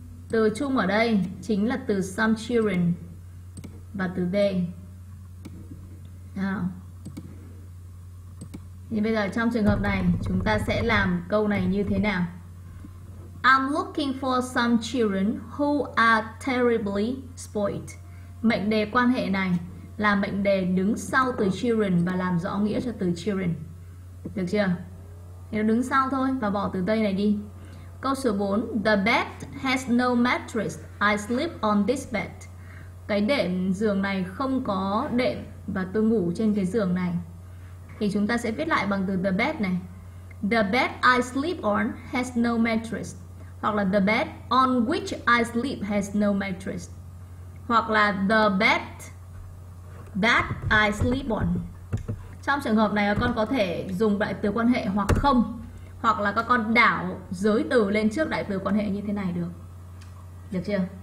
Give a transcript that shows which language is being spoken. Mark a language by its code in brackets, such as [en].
[vi] Từ chung ở đây chính là từ some children và từ they. Nào. Nhưng bây giờ trong trường hợp này chúng ta sẽ làm câu này như thế nào? [en] I'm looking for some children who are terribly spoiled. [vi] Mệnh đề quan hệ này là mệnh đề đứng sau từ children và làm rõ nghĩa cho từ children. Được chưa? Thì nó đứng sau thôi và bỏ từ đây này đi. Câu số 4. [en] The bed has no mattress. I sleep on this bed. [vi] Cái đệm giường này không có đệm và tôi ngủ trên cái giường này. Thì chúng ta sẽ viết lại bằng từ the bed này. [en] The bed I sleep on has no mattress. [vi] Hoặc là [en] the bed on which I sleep has no mattress. [vi] Hoặc là [en] the bed that I sleep on. [vi] Trong trường hợp này con có thể dùng đại từ quan hệ hoặc không. Hoặc là các con đảo giới từ lên trước đại từ quan hệ như thế này được. Được chưa?